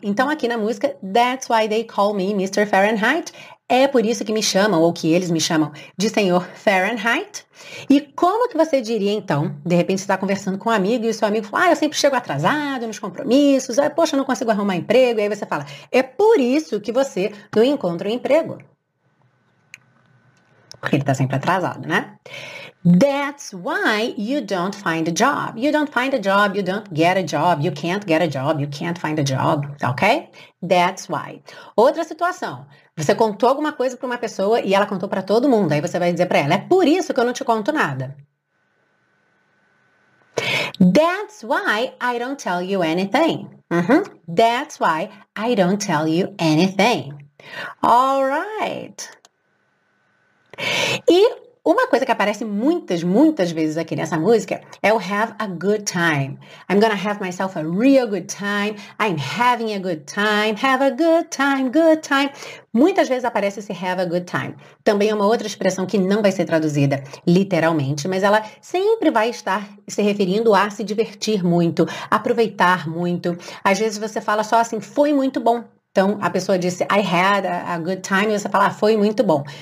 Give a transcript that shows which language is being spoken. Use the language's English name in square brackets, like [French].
[Portuguese] Então aqui na música, [English] that's why they call me Mr. Fahrenheit, [Portuguese] é por isso que me chamam, ou que eles me chamam de senhor Fahrenheit. E como que você diria então, de repente você está conversando com um amigo e o seu amigo fala, ah, eu sempre chego atrasado nos compromissos, ah, poxa, eu não consigo arrumar emprego, e aí você fala, é por isso que você não encontra um emprego. Porque ele está sempre atrasado, né? [English] That's why you don't find a job. You don't find a job, you don't get a job, you can't get a job, you can't find a job, ok? That's why. [Portuguese] Outra situação. Você contou alguma coisa para uma pessoa e ela contou para todo mundo. Aí você vai dizer para ela, é por isso que eu não te conto nada. [English] That's why I don't tell you anything. Uhum. That's why I don't tell you anything. All right. [Portuguese] E uma coisa que aparece muitas, muitas vezes aqui nessa música é o [English] have a good time. I'm gonna have myself a real good time. I'm having a good time. Have a good time, good time. [Portuguese] Muitas vezes aparece esse [English] have a good time. [Portuguese] Também é uma outra expressão que não vai ser traduzida literalmente, mas ela sempre vai estar se referindo a se divertir muito, aproveitar muito. Às vezes você fala só assim, foi muito bom. Então, a pessoa disse, [English] I had a good time, [Portuguese] e você fala, ah, foi muito bom.